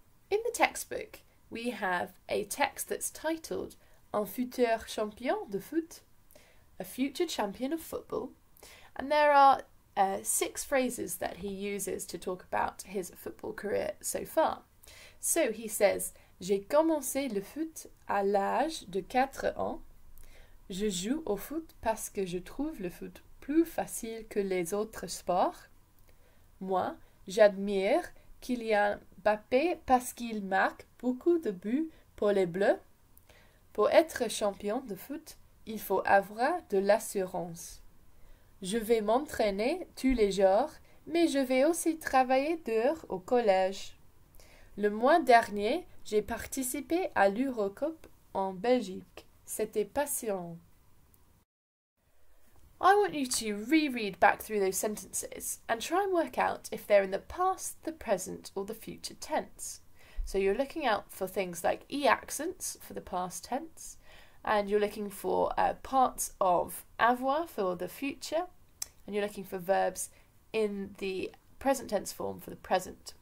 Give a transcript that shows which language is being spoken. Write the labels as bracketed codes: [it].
[en] In the textbook, we have a text that's titled [fr] Un futur champion de foot, [en] a future champion of football. And there are six phrases that he uses to talk about his football career so far. So he says, [fr] j'ai commencé le foot à l'âge de 4 ans. Je joue au foot parce que je trouve le foot plus facile que les autres sports. Moi, j'admire Kylian Mbappé parce qu'il marque beaucoup de buts pour les Bleus. Pour être champion de foot, il faut avoir de l'assurance. Je vais m'entraîner tous les jours, mais je vais aussi travailler dur au collège. Le mois dernier, j'ai participé à l'Eurocup en Belgique. C'était passionnant. [en] I want you to reread back through those sentences and try and work out if they're in the past, the present, or the future tense. So you're looking out for things like E accents for the past tense, and you're looking for parts of avoir for the future, and you're looking for verbs in the present tense form for the present.